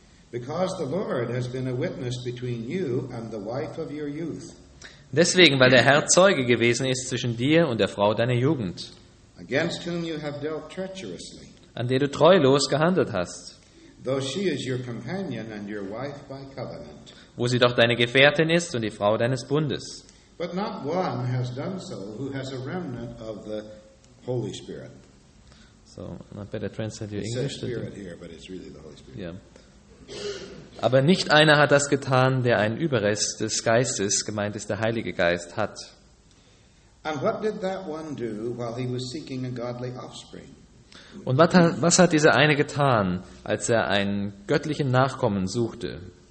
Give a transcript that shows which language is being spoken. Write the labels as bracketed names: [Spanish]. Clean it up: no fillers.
[English] Because the Lord has been a witness between you and the wife of your youth. [German] Deswegen, weil der Herr Zeuge gewesen ist zwischen dir und der Frau deiner Jugend, [English] against whom you have dealt treacherously, [German] an der du treulos gehandelt hast, [English] though she is your companion and your wife by covenant, [German] wo sie doch deine Gefährtin ist und die Frau deines Bundes. [English] But not one has done so who has a remnant of the Holy Spirit. So, I better translate your English. It's Spirit here, but it's really the Holy Spirit. Yeah. [German] Aber nicht einer hat das getan, der einen Überrest des Geistes, gemeint ist der Heilige Geist, hat. Und was hat dieser eine getan, als er einen göttlichen Nachkommen suchte?